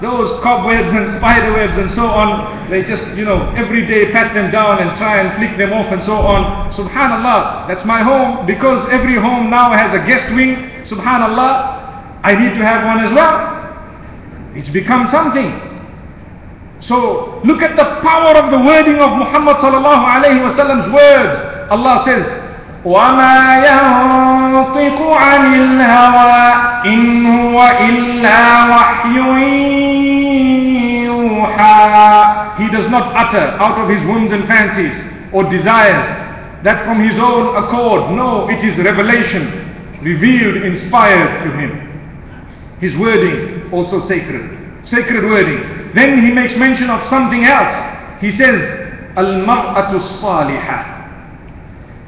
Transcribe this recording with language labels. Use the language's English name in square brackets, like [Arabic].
[English] Those cobwebs and spiderwebs and so on. They just, you know, every day pat them down and try and flick them off and so on. Subhanallah, that's my home. Because every home now has a guest wing, subhanallah, I need to have one as well. It's become something. So look at the power of the wording of Muhammad sallallahu alayhi wa sallam's words. Allah says, [Arabic] وَمَا يَنطِقُ عَنِ الْهَوَىٰ إِنْ هُوَ إِلَّا وَحْيٌ يُوحَىٰ. [English] He does not utter out of his whims and fancies or desires that from his own accord. No, it is revelation, revealed, inspired to him. His wording also sacred. Sacred wording. Then he makes mention of something else. He says, [Arabic] Al-mar'atu salihah.